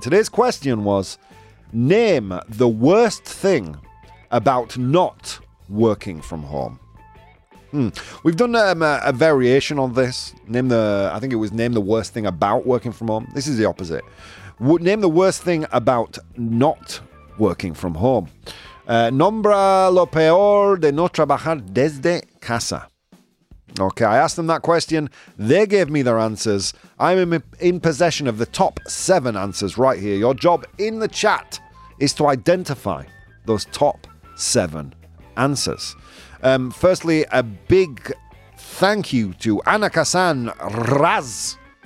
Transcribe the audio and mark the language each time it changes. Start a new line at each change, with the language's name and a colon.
English: Today's question was, name the worst thing about not working from home. We've done a variation on this. Name the worst thing about working from home. This is the opposite. Name the worst thing about not working from home.
Spanish: Nombra lo peor de no trabajar desde casa.
English: Okay, I asked them that question. They gave me their answers. I'm in possession of the top 7 answers right here. Your job in the chat is to identify those top 7 answers. Firstly, a big thank you to Anna Kassan, Raz,